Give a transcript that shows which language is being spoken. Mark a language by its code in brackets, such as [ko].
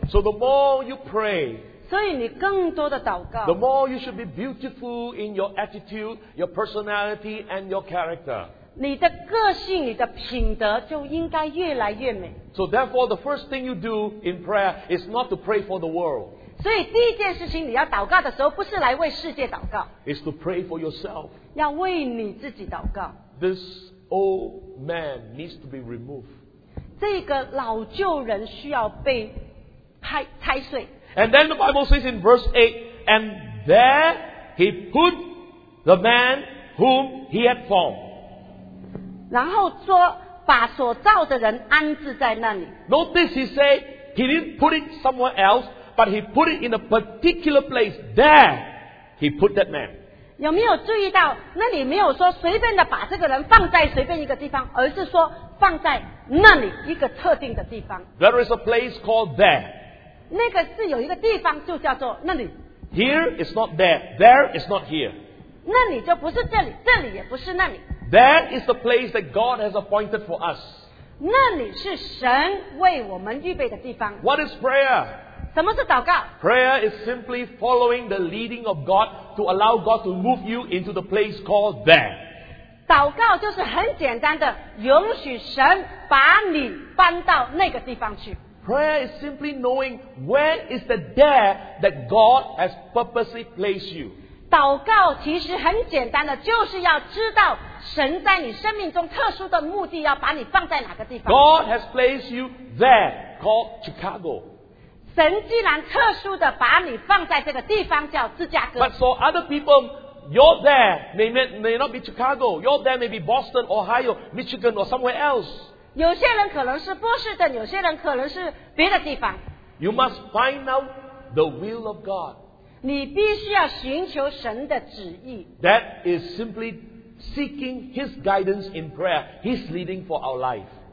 [en] So the more you pray, [zh] 所以你更多的祷告。 [en] The more you should be beautiful in your attitude, your personality and your character. [zh] 你的个性，你的品德就应该越来越美。 [en] So therefore, the first thing you do in prayer is not to pray for the world. [zh] 所以第一件事情你要祷告的时候不是来为世界祷告。 [en] It's to pray for yourself. [zh] 要为你自己祷告。 [en] This old man needs to be removed. [zh] 这个老旧人需要被拆碎。 [en] And then the Bible says in verse 8, And there he put the man whom he had formed. [zh] 然后说把所造的人安置在那里。 [en] Notice he said he didn't put it somewhere else, but he put it in a particular place there. He put that man. [zh] 有没有注意到, 那里没有说随便地把这个人放在随便一个地方, 而是说放在那里, [en] there is a place called there. [zh] 那个是有一个地方就叫做那里。 [en] Here is not there. There is not here. [zh] 那里就不是这里, 这里也不是那里。 [en] There is the place that God has appointed for us. [zh] 那里是神为我们预备的地方。 [en] What is prayer? [zh] 什么是祷告? [en] Prayer is simply following the leading of God to allow God to move you into the place called there. [zh] 祷告就是很简单的, 允许神把你搬到那个地方去。 [en] Prayer is simply knowing where is the there that God has purposely placed you. [zh] 祷告其实很简单的, 就是要知道神在你生命中特殊的目的要把你放在哪个地方。 [en] God has placed you there called Chicago. [zh] 神既然特殊地把你放在这个地方叫芝加哥。 [en] But for other people, your there may not be Chicago. Your there may be Boston, Ohio, Michigan, or somewhere else. [zh] 有些人可能是波士顿, 有些人可能是别的地方。 [en] You must find out the will of God. [zh] 你必须要寻求神的旨意。 [en] That is simply seeking His guidance in prayer, His leading for our life.